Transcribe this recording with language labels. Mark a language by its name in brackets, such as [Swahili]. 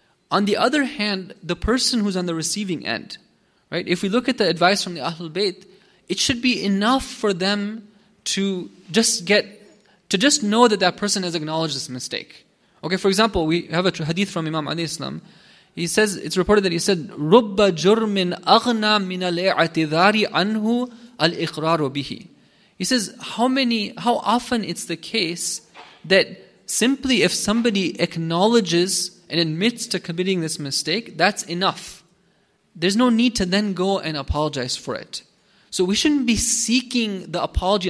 [English] On the other hand, the person who's on the receiving end, right? If we look at the advice from the Ahlul Bayt, it should be enough for them to just know that that person has acknowledged this mistake. Okay, for example, we have a hadith from Imam Ali Islam. He says, it's reported that he said, [Arabic] رُبَّ جُرْمٍ أَغْنَى مِنَ الْإِعْتِذَارِ عَنْهُ الْإِقْرَارُ بِهِ. [English] He says, how often it's the case that simply if somebody acknowledges and admits to committing this mistake, that's enough. There's no need to then go and apologize for it. So we shouldn't be seeking the apology.